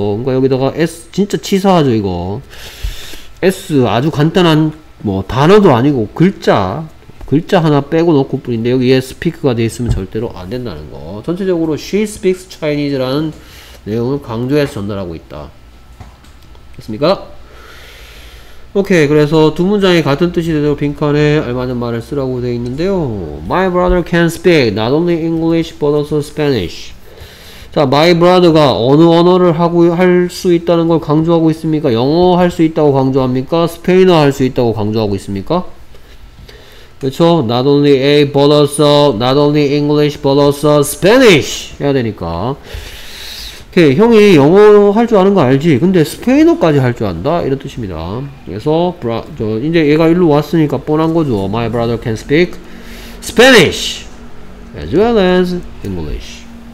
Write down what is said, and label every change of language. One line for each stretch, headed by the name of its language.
Korean: 그러니까 여기다가 S 진짜 치사하죠 이거. S 아주 간단한 뭐 단어도 아니고 글자 하나 빼고 넣고 뿐인데 여기에 speak가 되어 있으면 절대로 안 된다는 거. 전체적으로
English: she speaks Chinese
Korean: 라는 내용을 강조해서 전달하고 있다. 됐습니까? 오케이. 그래서 두 문장이 같은 뜻이 되도록 빈칸에 알맞은 말을 쓰라고 되어 있는데요.
English: My brother can speak not only English but also Spanish.
Korean: 자, my brother가 어느 언어를 할 수 있다는 걸 강조하고 있습니까? 영어 할 수 있다고 강조합니까? 스페인어 할 수 있다고 강조하고 있습니까? 그렇죠?
English: Not only A but also, not only English but also Spanish 해야 되니까.
Korean: 오케이, 형이 영어 할 줄 아는 거 알지? 근데 스페인어까지 할 줄 안다? 이런 뜻입니다. 그래서 이제 얘가 일로 왔으니까 뻔한 거죠.
English: My brother can speak Spanish as well as English.